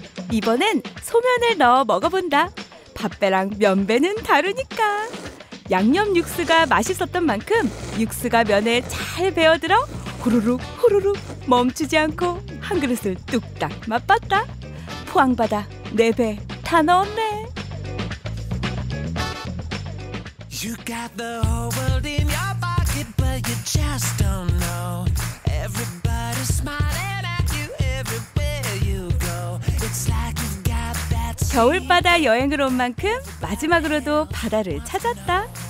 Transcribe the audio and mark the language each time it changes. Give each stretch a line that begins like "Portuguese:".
Korean: 이번엔 소면을 넣어 먹어본다. 밥배랑 면배는 다르니까. 양념 육수가 맛있었던 만큼 육수가 면에 잘 배어들어 후루룩 후루룩 멈추지 않고 한 그릇을 뚝딱 맛봤다. 포항바다 내 배 다 넣었네.
English: You got the whole world in your pocket but you just don't know. Everybody's smiling at you everywhere you go. It's like you've got that.
Korean: 겨울바다 여행을 온 만큼 마지막으로도 바다를 찾았다.